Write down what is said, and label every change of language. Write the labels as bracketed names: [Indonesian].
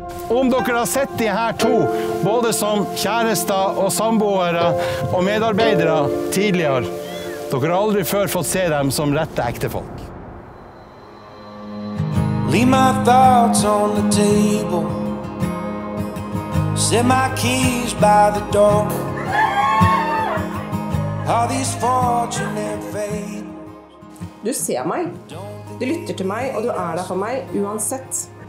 [Norwegian] Om dere har sett de her to, både som kjærester og samboere og medarbeidere tidligere, dere har aldri før fått se dem som rette ektefolk. [English] Leave my thoughts on the table. Set my keys by the door. All these fortune and fate. [Norwegian] Du ser meg. Du lytter til meg, og du der for meg uansett.